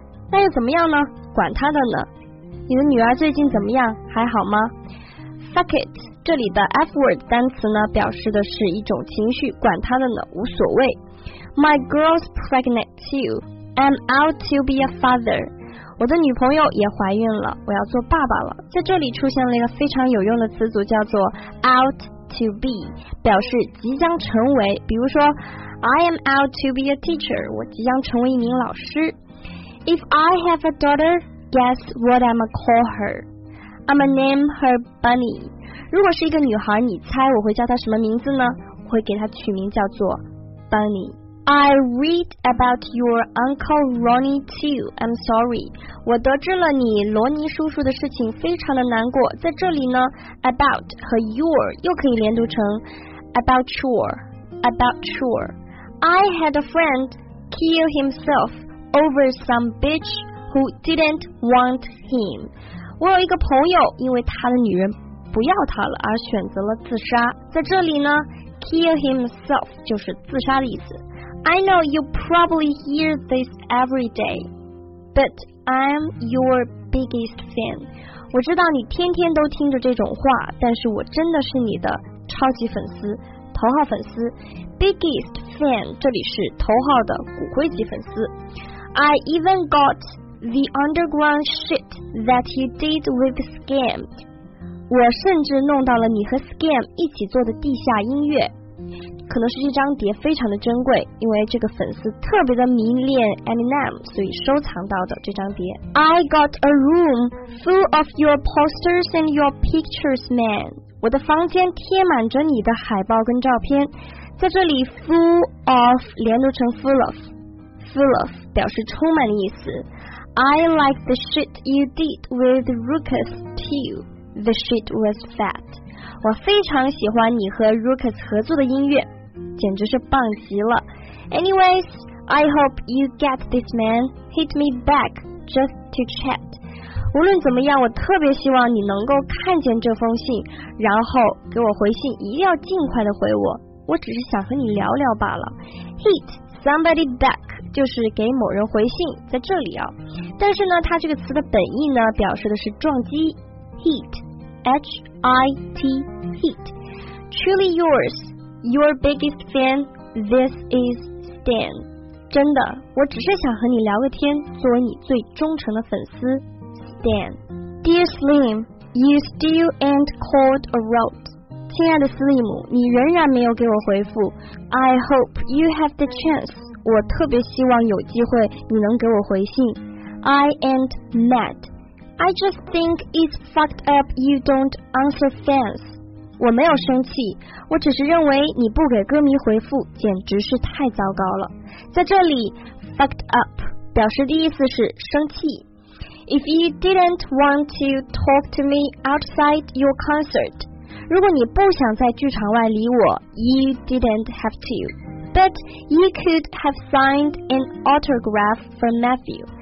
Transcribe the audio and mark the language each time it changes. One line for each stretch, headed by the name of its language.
Chinese: 那又怎么样呢？管他的呢。你的女儿最近怎么样？还好吗？
English: Fuck it，
Chinese: 这里的 F word 单词呢表示的是一种情绪，管他的呢，无所谓。
English: My girl's pregnant too, I'm out to be a father。
Chinese: 我的女朋友也怀孕了，我要做爸爸了。在这里出现了一个非常有用的词组，叫做 out to be， 表示即将成为。比如说
English: I am out to be a teacher，
Chinese: 我即将成为一名老师。
English: If I have a daughter, guess what I'm gonna call her? I'm gonna name her Bunny。
Chinese: 如果是一个女孩，你猜我会叫她什么名字呢？会给她取名叫做 Bunny。
English: I read about your uncle Ronnie too. I'm sorry.
Chinese: 我得知了你罗尼叔叔的事情，非常的难过。在这里呢 ，about 和 your 又可以连读成 about your, about your.
English: I had a friend kill himself over some bitch who didn't want him.
Chinese: 我有一个朋友因为他的女人不要他了而选择了自杀。在这里呢 ，kill himself 就是自杀的意思。
English: I know you probably hear this every day, but I'm your biggest fan.
Chinese: 我知道你天天都听着这种话，但是我真的是你的超级粉丝，头号粉丝。 Biggest fan 这里是头号的骨灰级粉丝。
English: I even got the underground shit that you did with Scam.
Chinese: 我甚至弄到了你和 Scam 一起做的地下音乐。可能是这张碟非常的珍贵，因为这个粉丝特别的迷恋 Eminem， 所以收藏到的这张碟。
English: I got a room full of your posters and your pictures, man.
Chinese: 我的房间贴满着你的海报跟照片。在这里 full of 连读成 full of， full of 表示充满的意思。
English: I like the shit you did with Rukus too. The shit was fat.
Chinese: 我非常喜欢你和 Rukus 合作的音乐，简直是棒极了。
English: Anyways, I hope you get this man. Hit me back just to chat.
Chinese: 无论怎么样，我特别希望你能够看见这封信，然后给我回信，一定要尽快的回我。我只是想和你聊聊罢了。Hit somebody back 就是给某人回信，在这里啊。但是呢，它这个词的本意呢，表示的是撞击。
English: Hit, H-I-T, Hit. Truly yoursYour biggest fan, this is Stan.
Chinese: 真的，我只是想和你聊个天，作为你最忠诚的粉丝 Stan.
English: Dear Slim, you still ain't called a rot.
Chinese: 亲爱的斯利姆，你仍然没有给我回复。
English: I hope you have the chance.
Chinese: 我特别希望有机会你能给我回信。
English: I ain't mad. I just think it's fucked up you don't answer fans.
Chinese: 我没有生气，我只是认为你不给歌迷回复简直是太糟糕了。在这里 fucked up 表示的意思是生气。
English: If you didn't want to talk to me outside your concert，
Chinese: 如果你不想在剧场外理我，
English: you didn't have to， but you could have signed an autograph for Matthew。